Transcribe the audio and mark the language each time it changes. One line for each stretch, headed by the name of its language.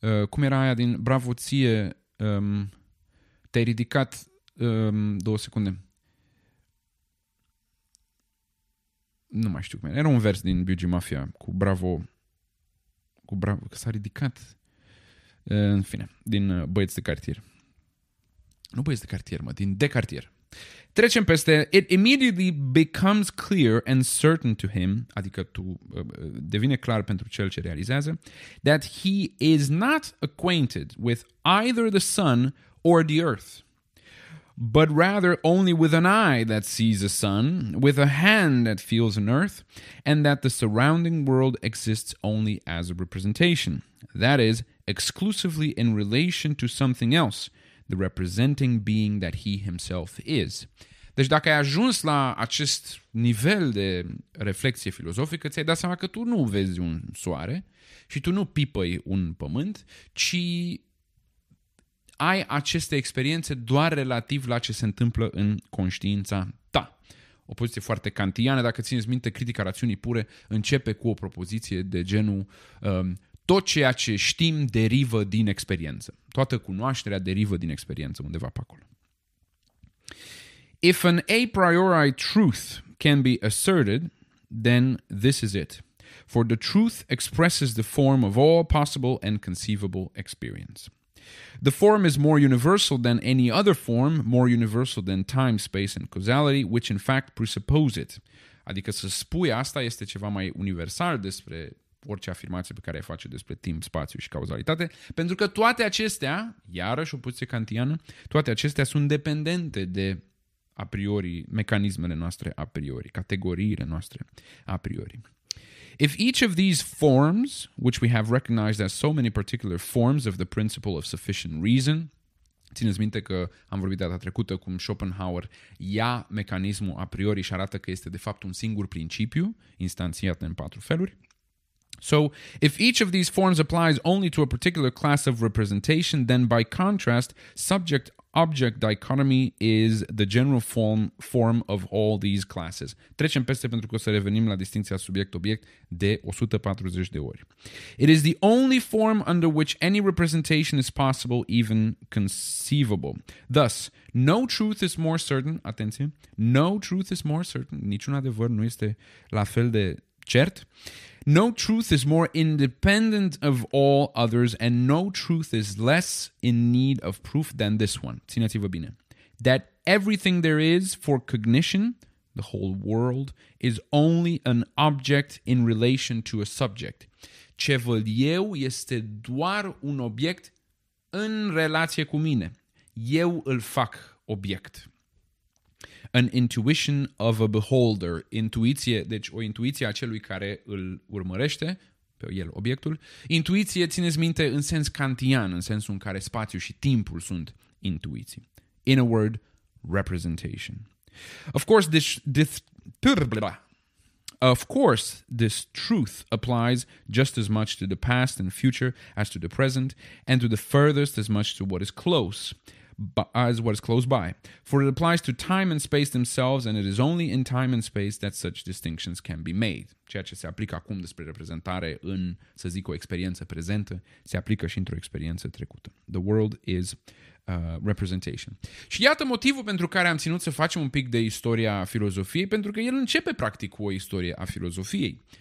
Romanian: Cum era aia din bravo ție, te-ai ridicat, două secunde, nu mai știu cum era un vers din Beauty Mafia cu bravo, cu bravo, că s-a ridicat, în fine, din Băieți de Cartier. Nu Băieți de Cartier, mă, din De Cartier. Trecem peste,
English: it immediately becomes clear and certain to him,
Romanian: adică tu, devine clar pentru cel ce realizează,
English: that he is not acquainted with either the sun or the earth, but rather only with an eye that sees a sun, with a hand that feels an earth, and that the surrounding world exists only as a representation, that is, exclusively in relation to something else, the representing being that he himself is.
Romanian: Deci dacă ai ajuns la acest nivel de reflexie filozofică, ți-ai dat seama că tu nu vezi un soare și tu nu pipăi un pământ, ci ai aceste experiențe doar relativ la ce se întâmplă în conștiința ta. O poziție foarte kantiană, dacă țineți minte, critica rațiunii pure începe cu o propoziție de genul tot ceea ce știm derivă din experiență. Toată cunoașterea derivă din experiență undeva pe acolo.
English: If an a priori truth can be asserted, then this is it. For the truth expresses the form of all possible and conceivable experience. The form is more universal than any other form, more universal than time, space and causality, which in fact presuppose it.
Romanian: Adică să spui asta este ceva mai universal despre orice afirmație pe care ai face despre timp, spațiu și cauzalitate, pentru că toate acestea, iarăși o poziție kantiană, toate acestea sunt dependente de a priori, mecanismele noastre a priori, categoriile noastre a priori.
English: If each of these forms, which we have recognized as so many particular forms of the principle of sufficient reason,
Romanian: țineți minte că am vorbit data trecută cum Schopenhauer ia mecanismul a priori și arată că este de fapt un singur principiu, instanțiat în patru feluri.
English: So, if each of these forms applies only to a particular class of representation, then by contrast, subject-object dichotomy is the general form of all these classes.
Romanian: Trecem peste pentru că o să revenim la distinția subiect-obiect de 140 de ori.
English: It is the only form under which any representation is possible, even conceivable. Thus, no truth is more certain,
Romanian: atenție,
English: no truth is more certain,
Romanian: niciun adevăr nu este la fel de cert.
English: No truth is more independent of all others and no truth is less in need of proof than this one.
Romanian: Țineți-vă bine.
English: That everything there is for cognition, the whole world, is only an object in relation to a subject.
Romanian: Ce văd eu este doar un obiect în relație cu mine. Eu îl fac obiect.
English: An intuition of a beholder,
Romanian: intuiție, deci o intuiție a celui care îl urmărește, pe el obiectul. Intuiție, țineți minte, în sens kantian, în sensul în care spațiu și timpul sunt intuiții.
English: In a word, representation. Of course, this truth applies just as much to the past and future as to the present, and to the furthest as much to what is close. As what is close by, for it applies to time and space themselves, and it is only in time and space that such distinctions can be made.
Romanian: Ceea ce se aplică acum despre reprezentare în, să zic, o experiență prezentă, se aplică și într-o experiență trecută.
English: The world is representation.
Romanian: Și iată motivul pentru care am ținut să facem un pic de istoria filozofiei, pentru că el începe practic cu o istorie a filozofiei.